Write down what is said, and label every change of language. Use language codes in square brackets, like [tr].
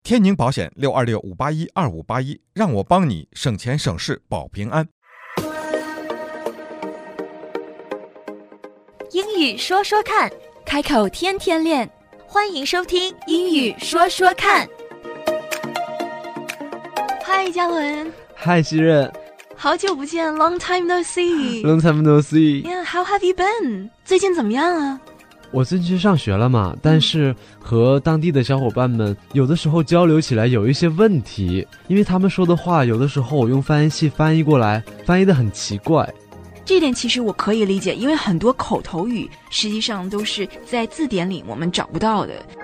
[zh] 天宁保险626-581-2581，让我帮你省钱省事保平安。英语说说看，开口天天练，欢迎收听英语说说看。嗨，嘉伦。嗨，希任。好久不见 ， [en] Long time no see。 Long time no see。 Yeah, how have you been？ [zh] 最近怎么样啊？我最近上学了嘛，但是和当地的小伙伴们有的时候交流起来有一些问题，因为他们说的话有的时候我用翻译器翻译过来，翻译得很奇怪。这点其实我可以理解，因为很多口头语实际上都是在字典里我们找不到的。